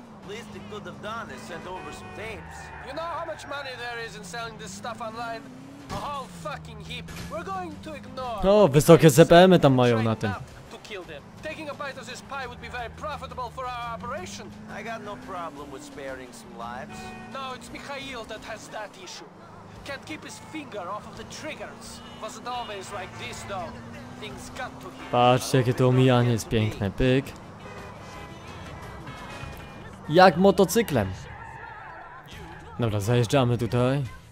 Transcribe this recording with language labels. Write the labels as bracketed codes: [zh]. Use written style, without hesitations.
[en] least it could have done is sent over some tapes. You know how much money there is in selling this stuff online? A whole fucking heap. We're going to ignore. [pl] No, wysokie CPM-y tam mają na tym. [en] Taking a bite of this pie would be very profitable for our operation. I got no problem with sparing some lives. No, it's Mikhail that has that issue. Can't keep his finger off of the triggers. Wasn't always like this, though. Things got to him. [pl] Patrzcie, jakie to omijanie jest piękne, pyk. Jak motocyklem. Dobra, zajeżdżamy tutaj.